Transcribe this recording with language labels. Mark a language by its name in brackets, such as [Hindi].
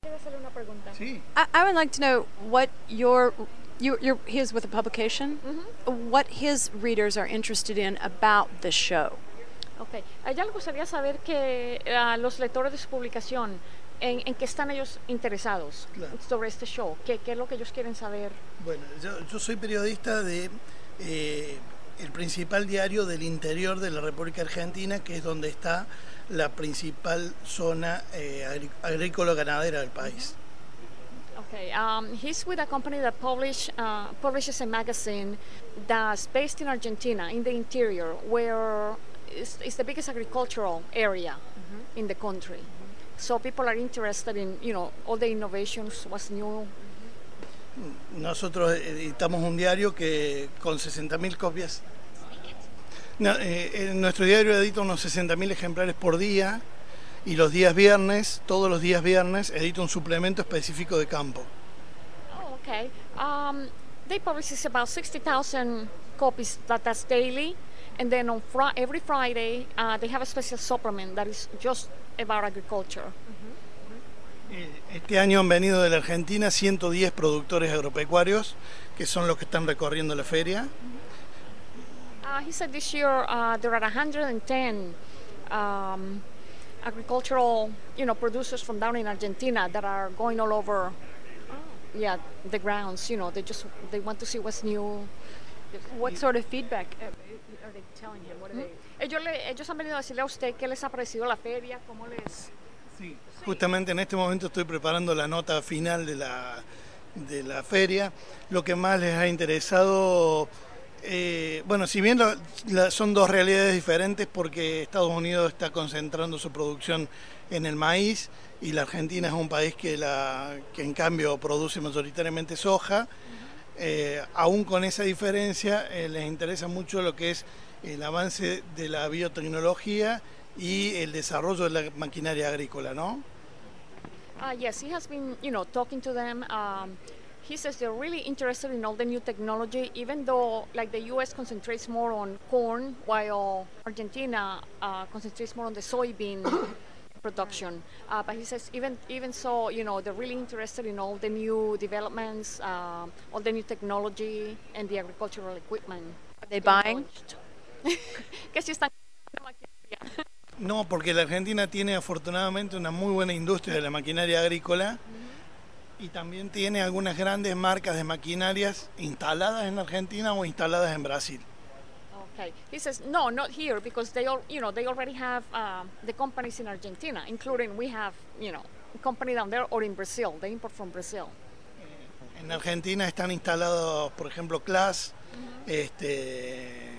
[English] I would like to know what your he is with a publication. Mm-hmm. What his readers are interested in about the show. Okay. [Spanish] A ella le gustaría saber que los lectores de su publicación en qué están ellos interesados. Claro. Sobre este show. ¿Qué es lo que ellos quieren saber? Bueno, yo soy periodista de el principal diario del interior de la República Argentina, que es donde está la principal zona agrícola ganadera del país. [English] Okay, he's with a company that publishes a magazine that's based in Argentina, in the interior, where it's the biggest agricultural area in the country. So people are interested in, you know, all the innovations, what's new. [Spanish] Nosotros editamos un diario que con 60.000 copias. No, nuestro diario edita unos 60.000 ejemplares por día y los días viernes, todos los días viernes, edita un suplemento específico de campo. [English] Oh, okay. They publish about 60,000 copies that's daily, and then on every Friday they have a special supplement that is just about agriculture. [Spanish] Este año han venido de la Argentina 110 productores agropecuarios, que son los que están recorriendo la feria. [English] He said this year there are 110 agricultural, you know, producers from down in Argentina that are going all over, yeah, the grounds. You know, they want to see what's new. What sort of feedback are they telling him? [Spanish] Ellos han venido a decirle a usted qué les ha parecido la feria, cómo les. Sí. Justamente en este momento estoy preparando la nota final de la feria. Lo que más les ha interesado, bueno, si bien son dos realidades diferentes, porque Estados Unidos está concentrando su producción en el maíz y la Argentina es un país que en cambio produce mayoritariamente soja, aún con esa diferencia les interesa mucho lo que es el avance de la biotecnología y el desarrollo de la maquinaria agrícola, ¿no? [English] Yes, he has been, you know, talking to them. He says they're really interested in all the new technology, even though, like, the U.S. concentrates more on corn, while Argentina concentrates more on the soybean production. But he says even so, you know, they're really interested in all the new developments, all the new technology, and the agricultural equipment. Are they buying? [Spanish] ¿Qué si están? No, porque la Argentina tiene afortunadamente una muy buena industria de la maquinaria agrícola. Uh-huh. Y también tiene algunas grandes marcas de maquinarias instaladas en Argentina o instaladas en Brasil. [English] Okay, he says no, not here, because they all, you know, they already have the companies in Argentina, including we have, you know, a company down there or in Brazil. They import from Brazil. [Spanish] En Argentina están instalados, por ejemplo, Class, uh-huh.